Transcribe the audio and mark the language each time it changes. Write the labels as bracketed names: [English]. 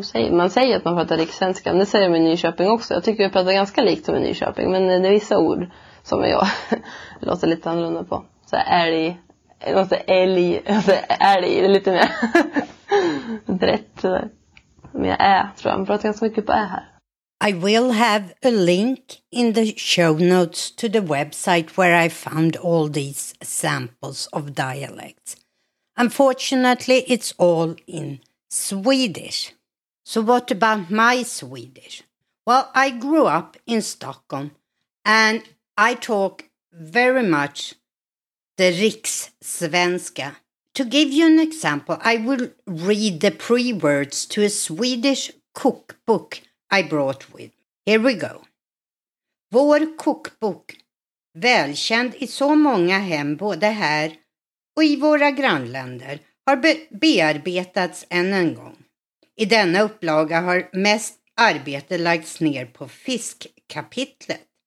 [Swedish] Man säger att man pratar rikssvenska, men det säger de i Nyköping också. Jag tycker jag pratar ganska likt som i Nyköping, men det är vissa ord som jag låter lite annorlunda på. Så älg, jag låter älg, det är lite mer brett. Mer ä, tror jag. Man pratar ganska mycket på ä här. [English] I will have a link in the show notes to the website where I found all these samples of dialects. Unfortunately, it's all in Swedish. So what about my Swedish? Well, I grew up in Stockholm and I talk very much the rikssvenska. To give you an example, I will read the pre-words to a Swedish cookbook I brought with. Here we go. [Swedish] Vår kokbok, välkänd i så många hem både här och i våra grannländer, har bearbetats än en gång. I denna upplaga har mest arbete lagts ner på fiskkapitlet.